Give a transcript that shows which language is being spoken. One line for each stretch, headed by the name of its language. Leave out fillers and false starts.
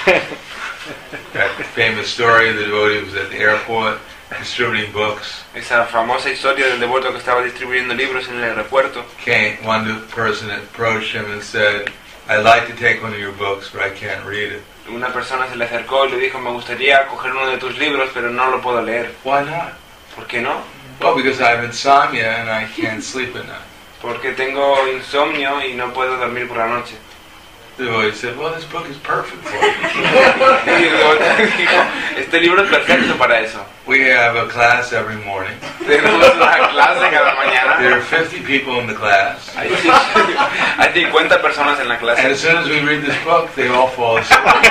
English: That famous story, the devotee was at the airport distributing books.
Spanish: Esa famosa historia del devoto que estaba distribuyendo libros en el aeropuerto.
English: Came one new person approached him and said, "I'd like to take one of your books, but I can't read it."
Spanish: Una persona se le acercó y le dijo, "Me gustaría coger uno de tus libros, pero no lo puedo leer."
English: Why not?
Spanish: ¿Por qué no?
English: Well, because I have insomnia and I can't sleep at night.
Spanish: Porque tengo insomnio y no puedo dormir por la noche.
English: The devotee said, "Well, this book is perfect for you."
Spanish: Este libro es perfecto para eso.
English: We have a class every morning.
Spanish: Tenemos una clase cada mañana.
English: There are 50 people in the class.
Spanish: Hay 50 personas en la clase.
English: And as soon as we read this book, they all fall asleep.